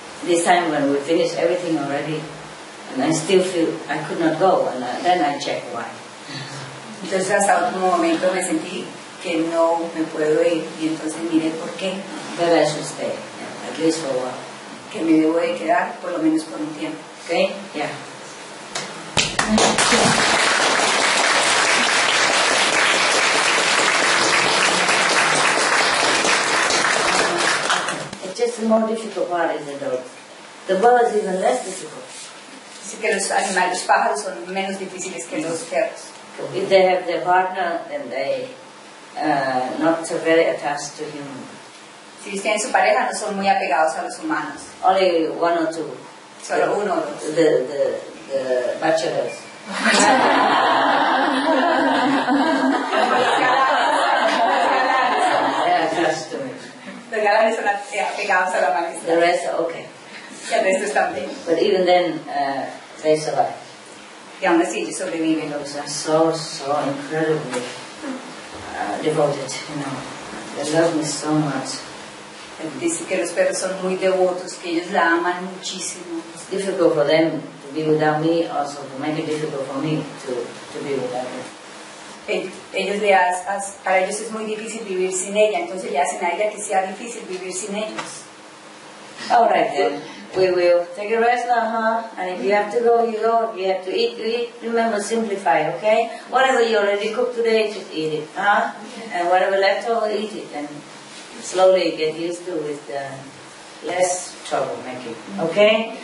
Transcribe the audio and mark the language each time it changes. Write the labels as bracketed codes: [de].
[en] This time when we finished everything already, and I still feel I could not go, and then I checked why. [es] Entonces hasta último momento me sentí que no me puedo ir y entonces miré por qué. [en] That I should stay, yeah, at least for a while. [es] Que me debo de quedar por lo menos por un tiempo. [en] Okay? Yeah. It's just the more difficult part is the dog. The bird is even less difficult. [es] Dice que los animales, los pájaros son menos difíciles que los perros. [en] If they have their partner, then they not so very attached to human. [es] Si tienen su pareja, no son muy apegados a los humanos. [en] Only one or two. [es] Solo uno. [en] The bachelors. They are attached to me. [es] Los galanes son apegados a la maestra. [en] The rest are okay. [es] El resto están bien. [en] But even then, they survive. [es] Y aún así, ellos sobreviven. [en] So, so incredibly devoted, you know. They love me so much. [es] Dice que los perros son muy devotos, que ellos la aman muchísimo. [en] It's difficult for them to be without me, also to make it difficult for me to be without them. [es] Ellos le hacen, para ellos es muy difícil vivir sin ella, entonces le hacen a ella que sea difícil vivir sin ellos. [en] All right then. We will take a rest now, huh? And if you have to go, you go. If you have to eat, you eat. Remember, simplify, okay? Whatever you already cooked today, just eat it, huh? And whatever left over, eat it. And slowly get used to with the less trouble making, okay?